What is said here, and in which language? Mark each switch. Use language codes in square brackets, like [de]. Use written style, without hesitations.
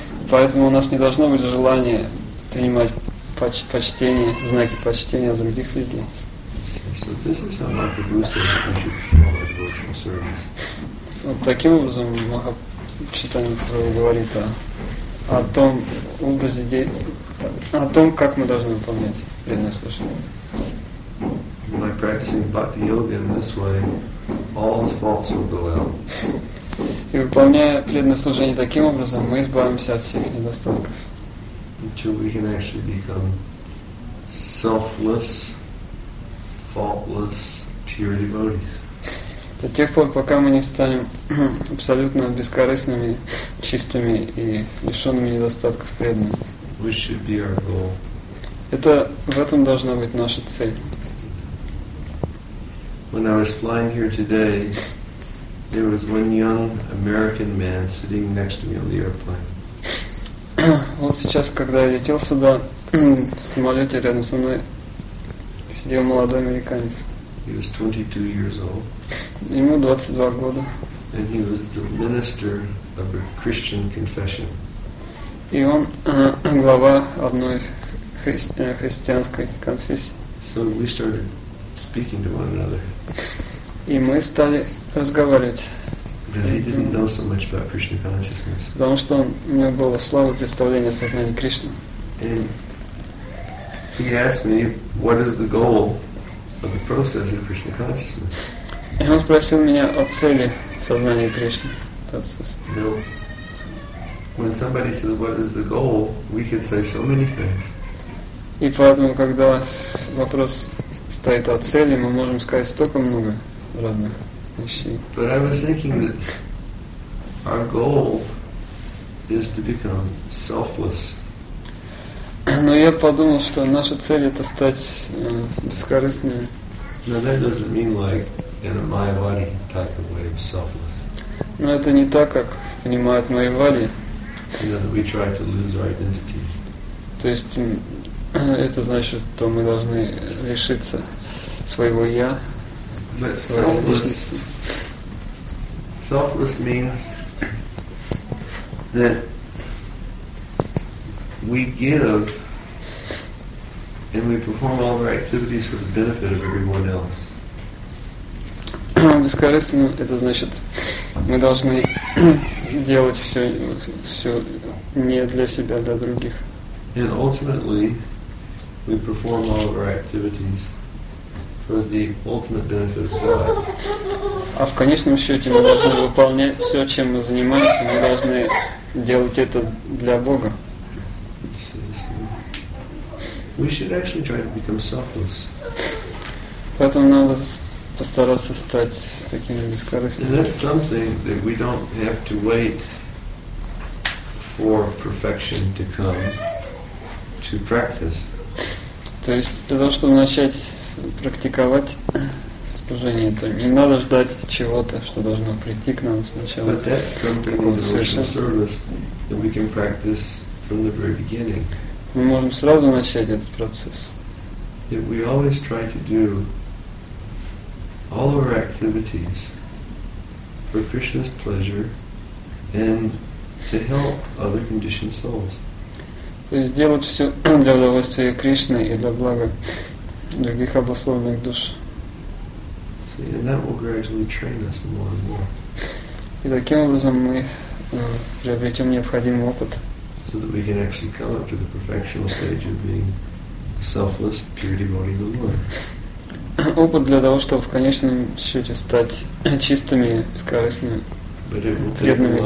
[ru] Поэтому у нас не должно быть желания принимать почтение, знаки почтения других людей. [en] So this is how Mahaprabhu says you should show devotional service. [ru] Вот таким образом Махачитанья говорит о том образе о том, как мы должны выполнять преданное служение. [en] By practicing bhakti yoga in this way, all the faults will go out. [ru] И выполняя преданное служение таким образом, мы избавимся от всех недостатков. [en] Until we can actually become selfless, faultless, pure devotees. [ru] До тех пор, пока мы не станем абсолютно бескорыстными, чистыми и лишенными недостатков преданными. [en] We should be our goal. [ru] Это в этом должна быть наша цель. [en] When I was flying here today, there was one young American man sitting next to me on the airplane. [ru] Вот сейчас, когда я летел сюда, в самолете рядом со мной сидел молодой американец. [en] He was 22 years old. [ru] Ему 22 года. [en] And he was the minister of a Christian confession. [ru] И он глава одной христианской конфессии. [en] So we started speaking to one another. [ru] И мы стали разговаривать. [en] Because he didn't know so much about Krishna consciousness. [ru] Потому что он, у него было слабое представление о сознании Кришны. [en] And he asked me, what is the goal of the process of Krishna consciousness? [ru] И он спросил меня о цели сознания Кришны. [en] No. When somebody says what is the goal, we can say so many things. [ru] И поэтому, когда вопрос стоит о цели, мы можем сказать столько много разных вещей. [en] But I was thinking that our goal is to become selfless. [ru] Но я подумал, что наша цель это стать бескорыстными. [en] Now that doesn't mean like in a Mayavadi type of way of selfless. [ru] Но это не так, как понимают Майявади. [en] You know, that we try to lose our identity. [ru] То есть это значит, что мы должны лишиться своего я, своей личности. [en] Selfless means that we give and we perform all our activities for the benefit of everyone else. [ru] Бескорыстно это значит, мы должны делать все не для себя, для других. [en] And ultimately, we perform all of our activities for the ultimate benefit of God. [ru] А в конечном счете мы должны выполнять все, чем мы занимаемся, мы должны делать это для Бога. [en] We should actually try to become selfless. [ru] Поэтому надо постараться стать такими бескорыстными. [en] That's something that we don't have to wait for perfection to come to practice. [ru] То есть для того, чтобы начать практиковать служение, то не надо ждать чего-то, что должно прийти к нам сначала. [en] But that's something in devotional service that we can practice from the very beginning. [ru] Мы можем сразу начать этот процесс. [en] That we always try to do all of our activities for Krishna's pleasure and to help other conditioned souls. [ru] То есть делать все для удовольствия Кришны и для блага других обусловленных душ. [en] See, and that will gradually train us more and more. [ru] И таким образом мы приобретем необходимый опыт. [en] So that we can actually come up to the perfectional stage of being selfless, pure devotee of the Lord. [ru] Опыт для того, чтобы в конечном счете стать чистыми, бескорыстными, преданными